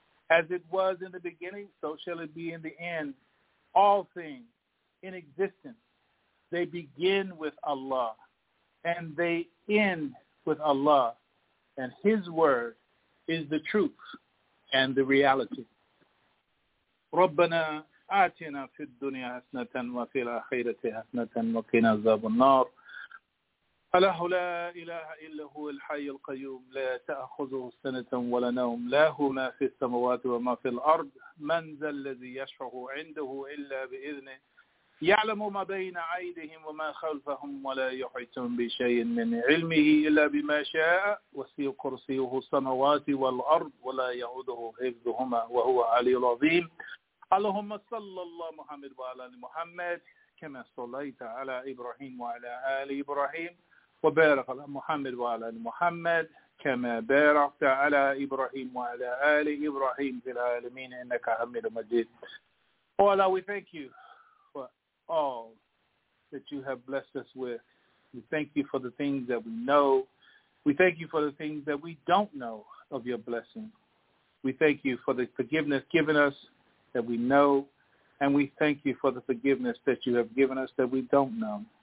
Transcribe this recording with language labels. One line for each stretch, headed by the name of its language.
English: As it was in the beginning, so shall it be in the end. All things in existence, they begin with Allah, and they end with Allah, and his word is the truth and the reality. Rabbana
Arabic: آتنا في الدنيا حسنة وفي الآخرة حسنة وقنا عذاب النار. فله لا إله إلا هو الحي القيوم لا تأخذه سنة ولا نوم له ما في السماوات وما في الأرض من ذا الذي يشفع عنده إلا بإذنه يعلم ما بين أيديهم وما خلفهم ولا يحيطون بشيء من علمه إلا بما شاء وسع كرسيه السماوات والأرض ولا يؤوده حفظهما وهو العلي العظيم. اللهم صل على محمد وعلى محمد كما صليت على إبراهيم وعلى آل إبراهيم وبارك على محمد وعلى محمد كما باركت على إبراهيم وعلى آل إبراهيم في العالمين إنك حميد مجيد.
English: Oh Allah, we thank you for all that you have blessed us with. We thank you for the things that we know. We thank you for the things that we don't know of your blessing. We thank you for the forgiveness given us that we know, and we thank you for the forgiveness that you have given us that we don't know.